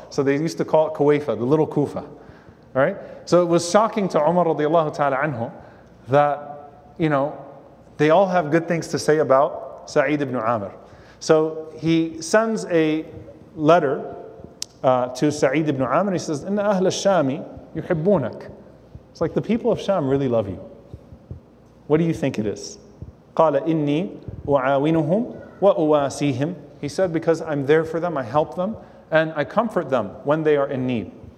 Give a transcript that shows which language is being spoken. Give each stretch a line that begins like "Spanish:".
English: So they used to call it Kuwaifa, the little Kufa. All right? So it was shocking to Umar radiallahu ta'ala anhu that, you know, they all have good things to say about Saeed ibn Amir. So he sends a letter to Saeed ibn Amr. He says,
Arabic: "Inna ahl al-Shami yuhibbunak."
English: It's like the people of Sham really love you. What do you think it is?
Arabic: قال إني أعاونهم وأواسيهم.
English: He said, because I'm there for them, I help them, and I comfort them when they are in need.